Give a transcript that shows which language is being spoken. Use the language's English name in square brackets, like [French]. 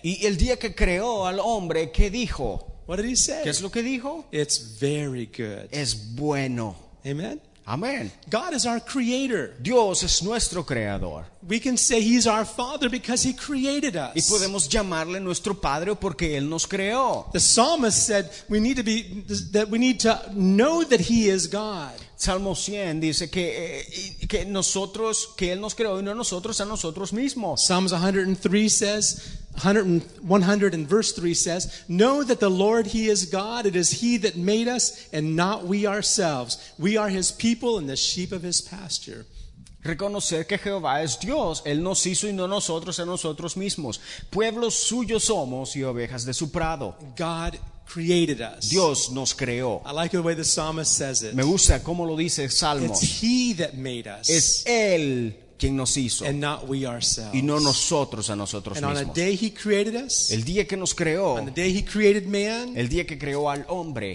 [Spanish] Y el día que creó al hombre, ¿qué dijo? [English] What did He say? [Spanish] ¿Qué es lo que dijo? [English] It's very good. [Spanish] Es bueno. Amen. Amen. [English] God is our creator. [Spanish] Dios es nuestro creador. [English] We can say he's our father because he created us. [Spanish] Y podemos llamarle nuestro padre porque él nos creó. [English] The psalmist said we need to know that he is God. [Spanish] Salmo 100 dice que nosotros, que él nos creó y no nosotros a nosotros mismos. [English] Psalms 103 says 100 and verse 3 says, know that the Lord he is God, it is he that made us and not we ourselves. We are his people and the sheep of his pasture. [Spanish] Reconocer que Jehová es Dios, él nos hizo y no nosotros a nosotros mismos. Pueblos suyos somos y ovejas de su prado. [English] God created us. [Spanish] Dios nos creó. [English] I like the way the psalmist says it. [Spanish] Me gusta cómo lo dice el Salmo. [English] It's he that made us. [Spanish] Es él quien nos hizo. [English] And not we ourselves. [Spanish] Y no nosotros a nosotros mismos. [English] And on the day he created us. [Spanish] El día que nos creó. [English] On the day he created man. [Spanish] El día que creó al hombre.